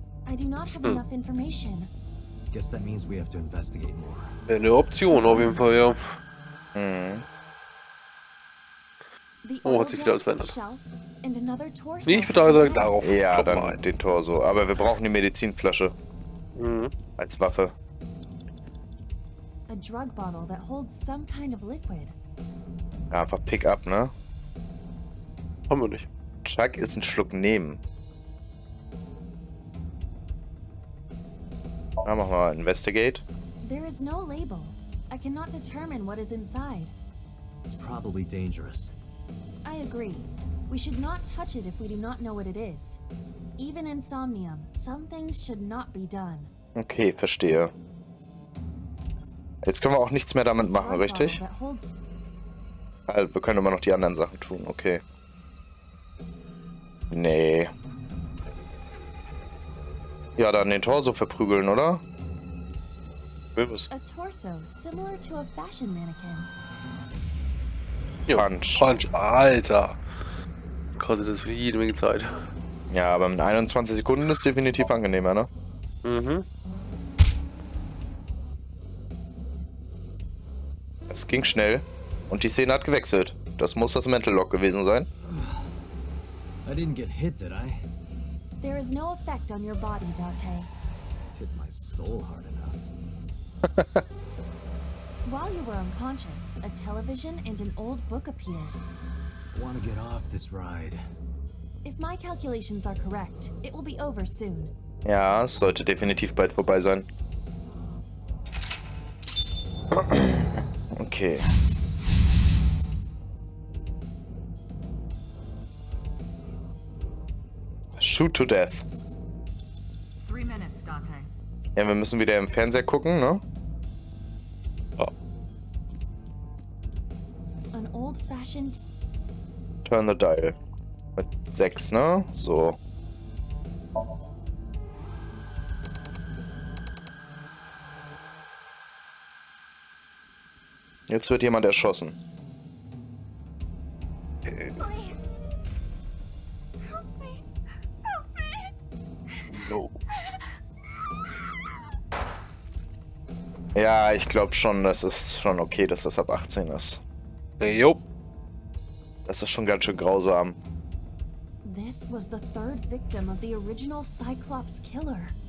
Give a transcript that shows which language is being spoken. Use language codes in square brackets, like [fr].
[en] I do not have enough information. Guess that means we have to investigate more. [de] Eine Option auf jeden Fall, ja. Oh, hat sich wieder alles verändert. Nee, ich würde aber sagen, darauf. Ja, dann den Torso. Aber wir brauchen die Medizinflasche. Als Waffe. [en] A drug bottle that holds some kind of liquid. [de] Ja, einfach Pick-up, ne? Haben wir nicht. Chuck ist ein Schluck nehmen. Ja, machen wir mal Investigate. [en] There is no label. I cannot determine what is inside. It's probably dangerous. I agree. We should not touch it if we do not know what it is. Even in Somnium, some things should not be done. [de] Okay, verstehe. Jetzt können wir auch nichts mehr damit machen, richtig? Also, wir können immer noch die anderen Sachen tun, okay. Nee. Ja, dann den Torso verprügeln, oder? [en] A torso similar to a fashion mannequin. Punch. [de] Punch, Alter. Kostet das jede Menge Zeit. Ja, aber mit 21 Sekunden ist definitiv angenehmer, ne? Mhm. Es ging schnell. Und die Szene hat gewechselt. Das muss das Mental Lock gewesen sein. [en] I didn't get hit, did I? There is no effect on your body, Dante. Hit my soul hard enough. While you were unconscious, a television and an old book appeared. I want to get off this ride. If my calculations are correct, it will be over soon. [de] Ja, es sollte definitiv bald vorbei sein. Okay. [en] Shoot to death. 3 minutes, Dante. [de] Ja, wir müssen wieder im Fernseher gucken, ne? Oh. [en] An old fashioned. Turn the dial. [de] Mit 6, ne? So. Jetzt wird jemand erschossen. Ja, ich glaube schon, das ist schon okay, dass das ab 18 ist. Jo. Das ist schon ganz schön grausam. [en] This was the third victim of the original Cyclops killer.